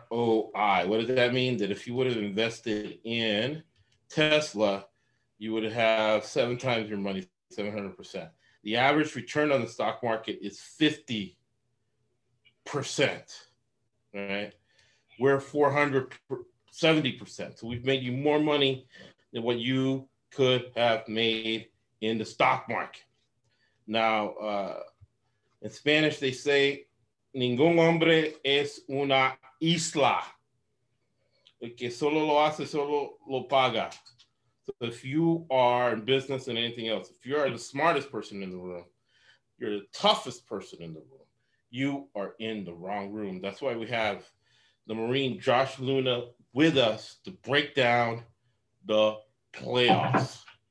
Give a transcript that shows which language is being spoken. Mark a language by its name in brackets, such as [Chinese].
[English] What does that mean? That if you would have invested in Tesla, you would have seven times your money. 700%. The average return on the stock market is 50%, right? We're 470%. So we've made you more money than what you could have made in the stock market. Now, in Spanish, they say, [Spanish] ningún hombre es una isla. El que solo lo hace, solo lo paga. [English] If you are in business and anything else, if you are the smartest person in the room, you're the toughest person in the room, you are in the wrong room. That's why we have the Marine Josh Luna with us to break down the playoffs.